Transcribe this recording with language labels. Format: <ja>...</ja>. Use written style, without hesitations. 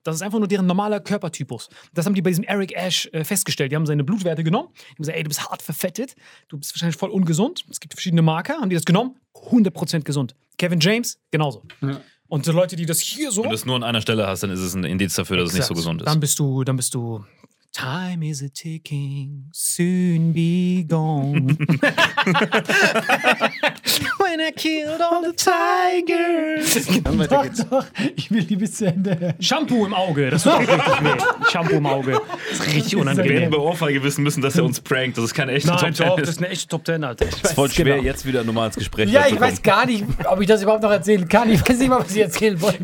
<de>Das ist einfach nur deren normaler Körpertypus. Das haben die bei diesem Eric Ash festgestellt. Die haben seine Blutwerte genommen. Die haben gesagt, ey, du bist hart verfettet. Du bist wahrscheinlich voll ungesund. Es gibt verschiedene Marker. Haben die das genommen? 100% gesund. Kevin James, genauso. Ja. Und die Leute, die das hier so... Wenn du es nur an einer Stelle hast, dann ist es ein Indiz dafür, dass es nicht so gesund ist. Dann bist du...</de> <en>Time is a ticking, soon be gone. When I killed all the tigers.</en> <de>Doch, ich will die bis zu Ende. Shampoo im Auge, das tut richtig weh. Shampoo im Auge. Das ist richtig unangenehm. Wir werden bei Ohrfeige wissen müssen, dass er uns prankt. Das ist keine echte Top Ten. Das ist eine echte Top Ten, Alter. Es ist voll schwer, genau. Jetzt wieder normal ins Gespräch zu kommen. Ja, ich weiß gar nicht, ob ich das überhaupt noch erzählen kann. Ich weiß nicht mal, was ich erzählen wollte.</de>